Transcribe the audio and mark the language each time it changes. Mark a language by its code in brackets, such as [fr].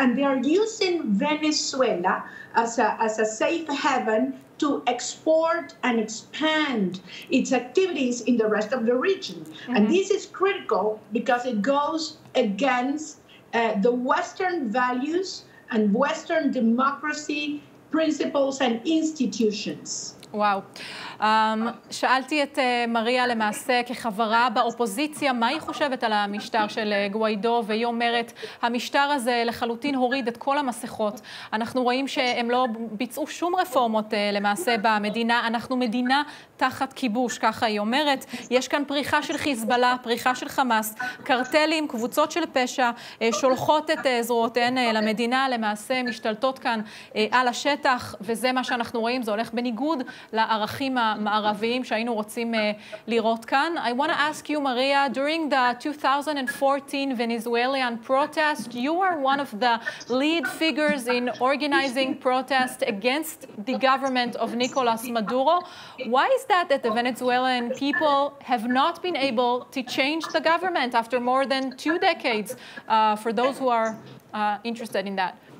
[en] And they are using Venezuela as a safe haven to export and expand its activities in the rest of the region. Mm-hmm. And this is critical because it goes against the Western values and Western democracy principles and institutions. [he] וואו. שאלתי את מריה למעשה כחברה באופוזיציה, מה היא חושבת על המשטר של גוואידו, והיא אומרת, המשטר הזה לחלוטין הוריד את כל המסכות. אנחנו רואים שהם לא ביצעו שום רפורמות למעשה במדינה. אנחנו מדינה תחת כיבוש, ככה היא אומרת. יש כאן פריחה של חיזבאללה, פריחה של חמאס, קרטלים, קבוצות של פשע, שולחות את זרועותיהן למדינה, למעשה משתלטות כאן על השטח, וזה מה שאנחנו רואים, זה הולך בניגוד לערכים המערביים שהיינו רוצים לראות כאן. [en] I want to ask you, Maria, during the 2014 Venezuelan protest, you were one of the lead figures in organizing protest against the government of Nicolas Maduro. Why is that that the Venezuelan people have not been able to change the government after more than 2 decades, for those who are interested in that?